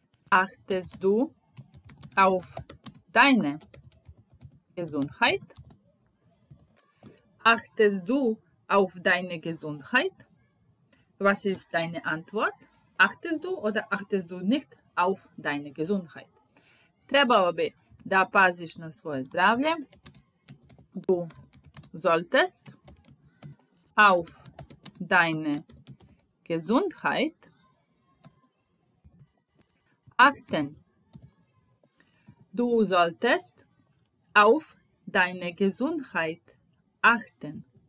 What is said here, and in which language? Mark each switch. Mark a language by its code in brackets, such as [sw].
[de] Achtest du auf deine Gesundheit? Achtest du auf deine Gesundheit? Was ist deine Antwort? Achtest du oder achtest du nicht auf deine Gesundheit? [sr] Trebalo bi da paziš na svoje zdravlje. [de] Du solltest auf deine Gesundheit achten. Du solltest auf deine Gesundheit achten.